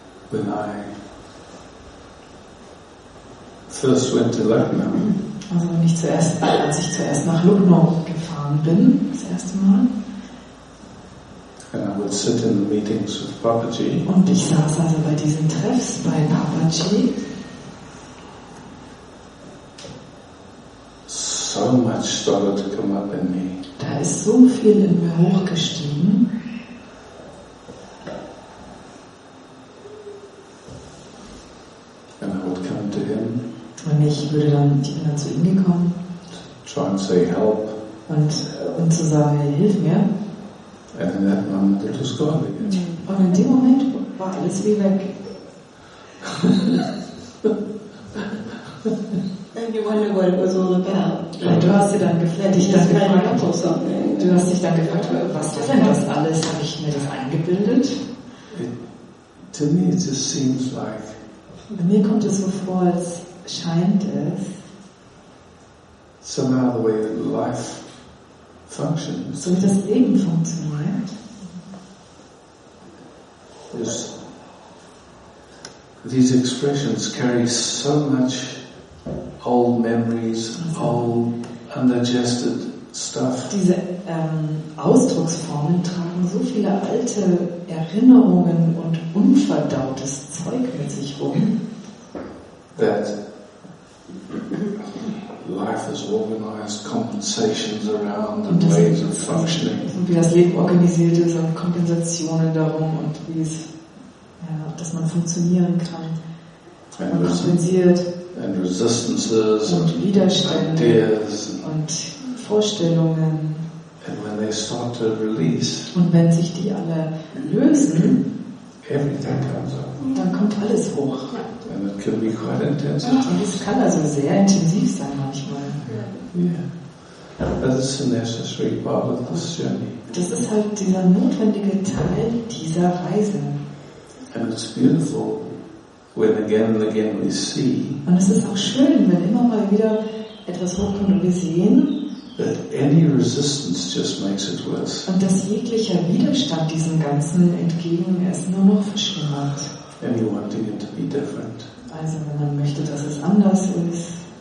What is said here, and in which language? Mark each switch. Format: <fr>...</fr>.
<en>When I first went to Lucknow.</en> <de>Also wenn ich zuerst, als ich zuerst nach Lucknow gefahren bin, das erste Mal.</de> <en>And I would sit in meetings with Papaji.</en> <de>Und ich saß also bei diesen Treffs bei Papaji.</de> <en>So much started to come up in me.</en> <de>Da ist so viel in mir hochgestiegen.</de> <en>And I would come to him.</en> <de>Und ich bin dann zu ihm gekommen.</de> <en>Try and say help.</en> <de>Und zu sagen, hey, hilf mir.</de> <en>And in that moment it was gone again.</en> <de>Und in dem Moment war alles wie weg.</de> <en>And you wonder what it was all about. Right?</en> <de>Du hast dich dann gefragt, was ist denn das alles? Habe ich mir das eingebildet?</de> <en>To me it just seems like.</en> <de>Bei mir kommt es so vor, als scheint es.</de> <en>Somehow the way life functions.</en> <de>So wie das Leben funktioniert.</de> <en>is these expressions carry so much old memories, old undigested stuff.</en> <de>Diese Ausdrucksformen tragen so viele alte Erinnerungen und unverdautes Zeug mit sich rum.</de> <en>That life is organized, compensations around and ways of functioning.</en> <de>Und wie das Leben organisiert ist und Kompensationen darum und wie es, ja, dass man funktionieren kann. Und man kompensiert.</de> <en>And resistances</en> <de>und Widerstände und Vorstellungen.</de> <en>And when they start to release,</en> <de>und wenn sich die alle lösen,</de> <en>everything comes up.</en> <de>Dann kommt alles hoch.</de> <en>And it can be quite intense.</en> <de>Und es kann also sehr intensiv sein manchmal.</de> <en>Yeah. That's a necessary part of this journey.</en> <de>Das ist halt dieser notwendige Teil dieser Reise.</de> <en>And it's beautiful when again and again we see.</en> <de>Und es ist auch schön, wenn immer mal wieder etwas hochkommt und wir sehen.</de> <en>That any resistance just makes it worse.</en> <de>Und dass jeglicher Widerstand diesem Ganzen entgegen es nur noch verschlimmert.</de> <en>And you want it to be different.</en> <de>Also wenn man möchte, dass es anders ist.</de>